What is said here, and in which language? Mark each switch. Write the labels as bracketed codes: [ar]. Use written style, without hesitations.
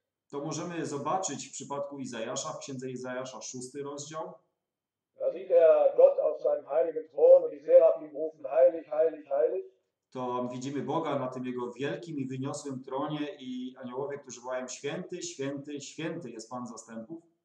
[pl] To możemy zobaczyć w przypadku Izajasza, w księdze Izajasza, 6 rozdział. [de] Da sieht er Gott auf seinem heiligen Thron und die Seraphim rufen heilig, heilig, heilig. [pl] To widzimy Boga na tym Jego wielkim i wyniosłym tronie i aniołowie, którzy wołają święty, święty, święty jest Pan zastępów.